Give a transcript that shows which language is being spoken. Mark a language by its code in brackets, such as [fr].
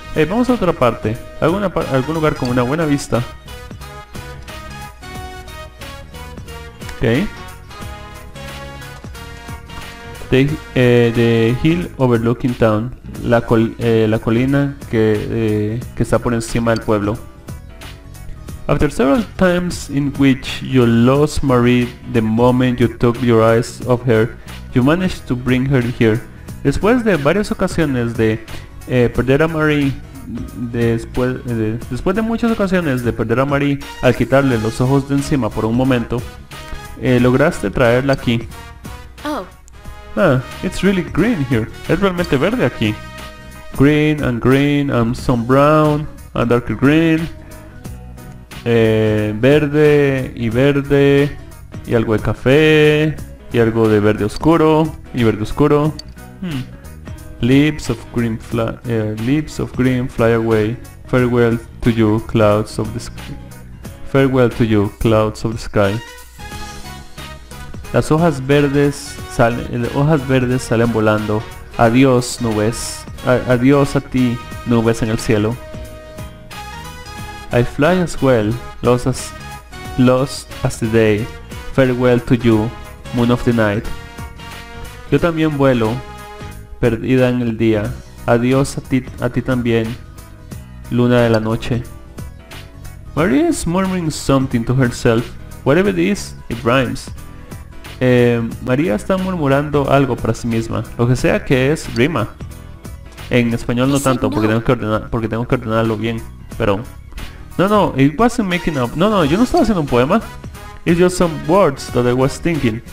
[es] Hey, vamos a otra parte. Algún lugar con una buena vista. [en] Okay. The hill overlooking town. [es] La colina que está por encima del pueblo. [en] After several times in which you lost Marie the moment you took your eyes off her, you managed to bring her here. [es] Después de varias ocasiones de perder a Marie, después de muchas ocasiones de perder a Marie al quitarle los ojos de encima por un momento, lograste traerla aquí. Oh. [en] Ah, it's really green here. [es] Es realmente verde aquí. [en] Green and green and some brown and darker green. [es] Verde y verde y algo de café y algo de verde oscuro y verde oscuro. [en] Leaves of green leaves of green fly away. Farewell to you, clouds of the farewell to you, clouds of the sky. [es] Las hojas verdes salen volando. Adiós, nubes. Adiós a ti, nubes en el cielo. [en] I fly as well, lost as the day. Farewell to you, moon of the night. [es] Yo también vuelo, perdida en el día. Adiós a ti también, luna de la noche. [en] Marie is murmuring something to herself. Whatever it is, it rhymes. [es] María está murmurando algo para sí misma. Lo que sea que es, rima. En español no tanto, porque tengo que ordenarlo bien, pero... [en] No, it wasn't making up. [es] No, yo no estaba haciendo un poema. [en] It's just some words that I was thinking.